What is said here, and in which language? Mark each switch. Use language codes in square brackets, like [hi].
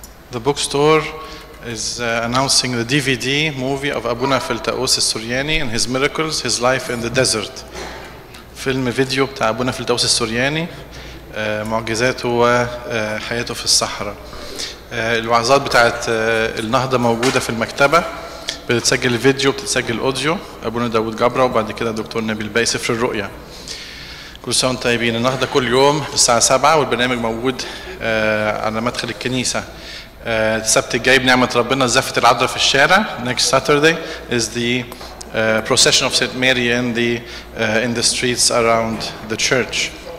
[en] Announcing the DVD movie of Abuna Filtaos Suryani and his miracles, his life in the desert. [ar] Film video بتاع أبونا فلتاوس السورياني معجزاته وحياته في الصحراء. الوعظات بتاعت النهضة موجودة في المكتبة. بتتسجل فيديو بتتسجل أوديو أبونا داود جابرا وبعد كده دكتور نبيل باي سفر الرؤية. كل سنة طيبين. النهضة كل يوم الساعة 7 والبرنامج موجود على مدخل الكنيسة. السبت الجاي بنعمة ربنا زفة العذراء في الشارع. [en] Next Saturday is the procession of Saint Mary in the streets around the church.